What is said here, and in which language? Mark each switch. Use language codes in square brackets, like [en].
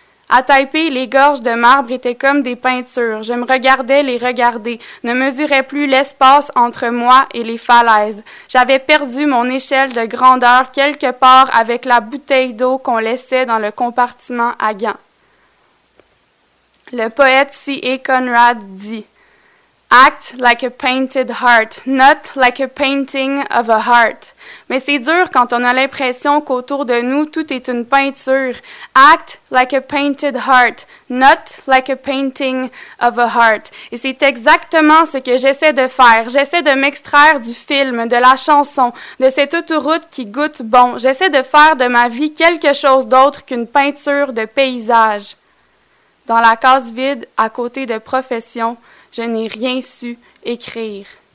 [fr] À Taipei, les gorges de marbre étaient comme des peintures. Je me regardais les regarder, ne mesurais plus l'espace entre moi et les falaises. J'avais perdu mon échelle de grandeur quelque part avec la bouteille d'eau qu'on laissait dans le compartiment à gants. Le poète C.A. Conrad dit « [en] Act like a painted heart, not like a painting of a heart. [fr] Mais c'est dur quand on a l'impression qu'autour de nous, tout est une peinture. [en] Act like a painted heart, not like a painting of a heart. [fr] Et c'est exactement ce que j'essaie de faire. J'essaie de m'extraire du film, de la chanson, de cette autoroute qui goûte bon. J'essaie de faire de ma vie quelque chose d'autre qu'une peinture de paysage. Dans la case vide, à côté de profession, je n'ai rien su écrire.